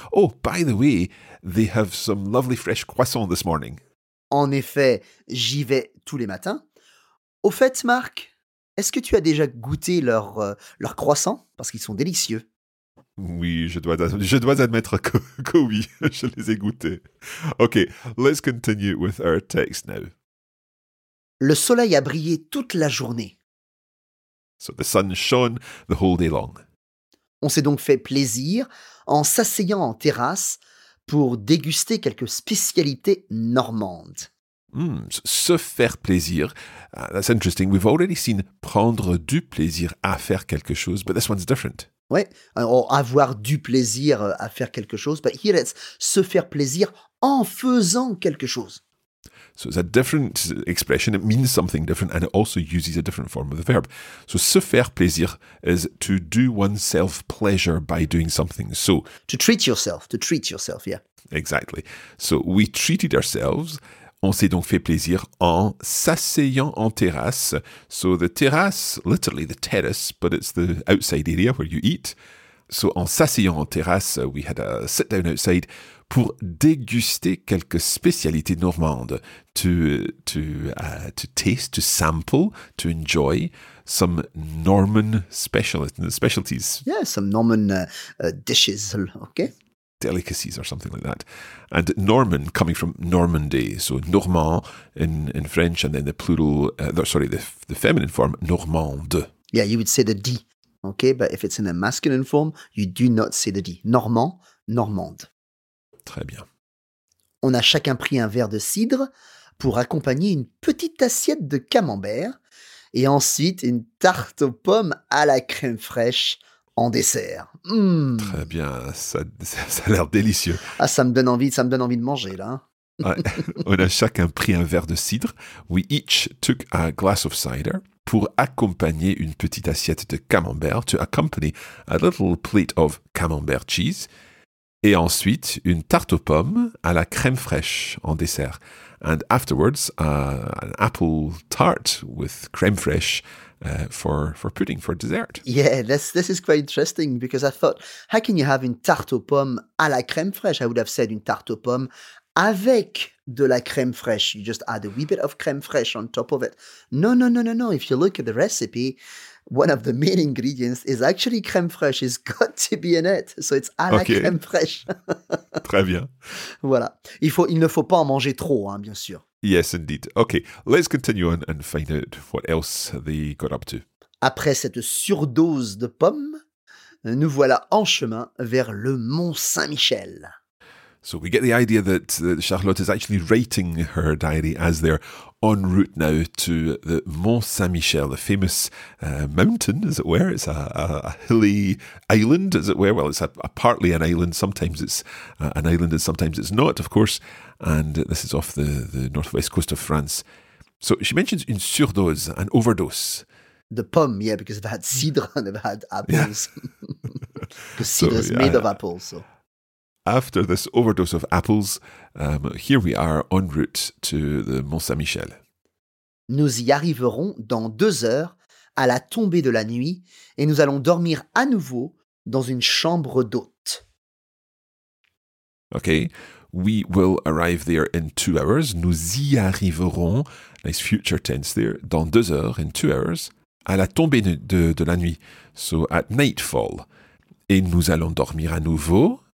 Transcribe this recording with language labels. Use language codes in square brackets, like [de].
[en] Oh, by the way, they have some lovely fresh croissants this morning. [fr] En effet, j'y vais tous les matins. Au fait, Marc, est-ce que tu as déjà goûté leurs croissants? Parce qu'ils sont délicieux. Oui, je dois admettre que oui, je les ai goûtés. [en] Okay, let's continue with our text now. [fr] Le soleil a brillé toute la journée. [en] So the sun shone the whole day long. [fr] On s'est donc fait plaisir en s'asseyant en terrasse pour déguster quelques spécialités normandes. [en] Se faire plaisir. That's interesting. We've already seen [fr] prendre du plaisir à faire quelque chose, [en] but this one's different. [fr] Oui, or avoir du plaisir à faire quelque chose. [en] But here it's [fr] se faire plaisir en faisant quelque chose. [en] So it's a different expression, it means something different, and it also uses a different form of the verb. So se faire plaisir is to do oneself pleasure by doing something. So to treat yourself, yeah. Exactly. So we treated ourselves [fr] On s'est donc fait plaisir en s'asseyant en terrasse. [en] So the terrasse, literally the terrace, but it's the outside area where you eat. [fr] So en s'asseyant en terrasse, [en] we had a sit down outside [fr] pour déguster quelques spécialités normandes. [en] To taste, to sample, to enjoy some Norman specialties. Yeah, some Norman dishes, okay. Delicacies or something like that. And Norman, coming from Normandy, so Normand in French, and then the plural, the feminine form, Normande. Yeah, you would say the D, okay? But if it's in a masculine form, you do not say the D. Normand, Normande. [fr] Très bien. On a chacun pris un verre de cidre pour accompagner une petite assiette de camembert et ensuite une tarte aux pommes à la crème fraîche. En dessert. Très bien, ça a l'air délicieux. Ah, ça me donne envie de manger, là. Ouais. On a chacun pris un verre de cidre. [en] We each took a glass of cider [fr] pour accompagner une petite assiette de camembert, [en] to accompany a little plate of camembert cheese, [fr] et ensuite une tarte aux pommes à la crème fraîche en dessert. [en] And afterwards, an apple tart with crème fraîche for pudding, for dessert. Yeah, this is quite interesting because I thought, how can you have [fr] une tarte aux pommes à la crème fraîche? [en] I would have said [fr] une tarte aux pommes avec de la crème fraîche. [en] You just add a wee bit of crème fraîche on top of it. No. If you look at the recipe, one of the main ingredients is actually crème fraîche. It's got to be in it. So it's à la crème fraîche. [fr] Très bien. Voilà. Il ne faut pas en manger trop, hein, bien sûr. [en] Yes, indeed. Okay, let's continue on and find out what else they got up to. [fr] Après cette surdose de pommes, nous voilà en chemin vers le Mont Saint-Michel. [en] So we get the idea that Charlotte is actually writing her diary as they're en route now to the Mont Saint-Michel, the famous mountain, as it were. It's a hilly island, as it were. Well, it's a partly an island. Sometimes it's an island and sometimes it's not, of course. And this is off the northwest coast of France. So she mentions une surdose, an overdose. The pomme, yeah, because they've had cidre and they've had apples. Because yeah. Cidre is made of apples, so. After this overdose of apples, here we are en route to the Mont Saint-Michel. [fr] Nous y arriverons dans 2 heures, à la tombée de la nuit, et nous allons dormir à nouveau dans une chambre d'hôte. [en] Okay, we will arrive there in 2 hours. [fr] Nous y arriverons, [en] nice future tense there, [fr] dans 2 heures, [en] in 2 hours, [fr] à la tombée de la nuit, [en] so at nightfall. [fr] Et nous allons dormir à nouveau.